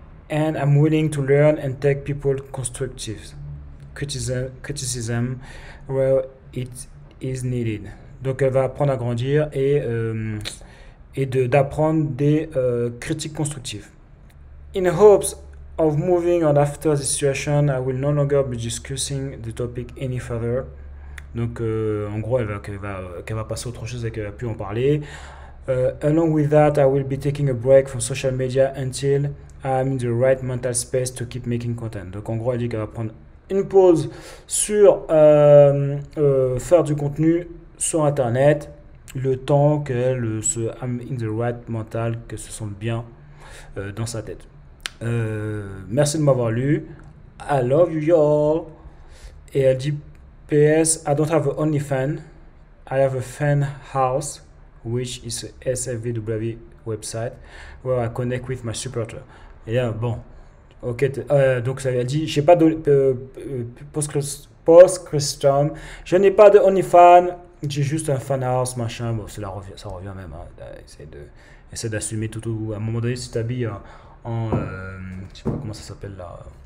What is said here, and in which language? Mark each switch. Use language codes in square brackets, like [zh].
[en] And I'm willing to learn and take people constructive criticism where it is needed. [fr] Donc elle va apprendre à grandir et d'apprendre des critiques constructives. [en] In hopes of moving on after this situation, I will no longer be discussing the topic any further. [fr] Donc en gros, elle va passer à autre chose et qu'elle va plus en parler. [en] Along with that, I will be taking a break from social media until I'm in the right mental space to keep making content. [fr] Donc en gros, elle dit qu'elle va prendre une pause sur faire du contenu sur Internet le temps qu'elle se [en] I'm in the right mental, [fr] que se sente bien dans sa tête. Merci de m'avoir lu. [en] I love you y'all. [fr] Et elle dit PS, [en] I don't have an OnlyFans. I have a fan house. Which is a SFVW website where I connect with my supporter. [fr] Et là, bon, ok, donc ça a dit, j'ai pas de post-Christian, je n'ai pas de OnlyFans, J'ai juste un fan house, machin. Bon, cela revient, ça revient même. Hein. Essaie d'assumer tout, tout. À un moment donné, si tu t'habilles je sais pas comment ça s'appelle là.